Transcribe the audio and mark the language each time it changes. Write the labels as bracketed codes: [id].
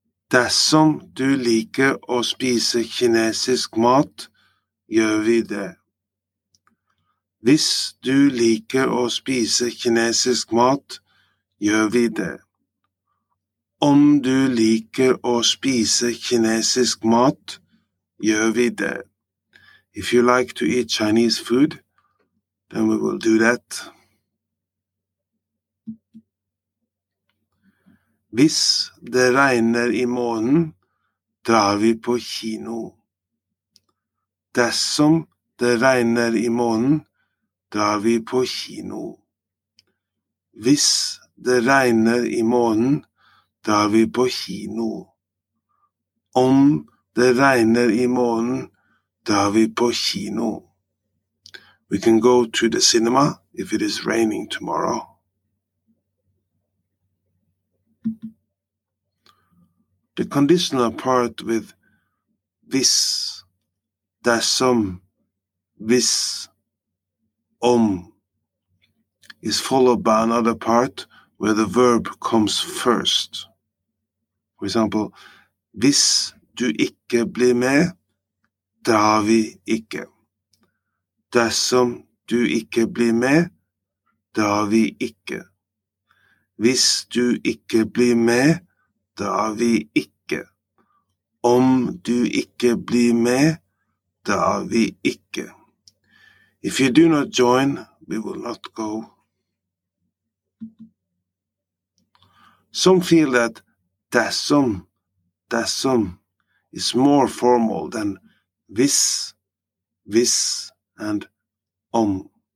[no] Dersom du liker å spise kinesisk mat, gjør vi det. Hvis du liker å spise kinesisk mat, gjør vi det. Om du liker å spise kinesisk mat, gjør vi det. [en] If you like to eat Chinese food, then we will do that. [no] Hvis det regner i morgen, drar vi på kino. Dersom det regner i morgen, drar vi på kino. Hvis det regner i morgen, drar vi på kino. Om det regner i morgen, drar vi på kino. [en] We can go to the cinema if it is raining tomorrow. The conditional part with Viss, Dersom, Viss, Om is followed by another part where the verb comes first. For example, [no] Hvis du ikke blir med, drar vi ikke. Dersom du ikke blir med, drar vi ikke. Hvis du ikke blir med, drar vi ikke. Om du ikke blir med, drar vi ikke. [en] If you do not join, we will not go. Some feel that dersom is more formal than Viss, and Om.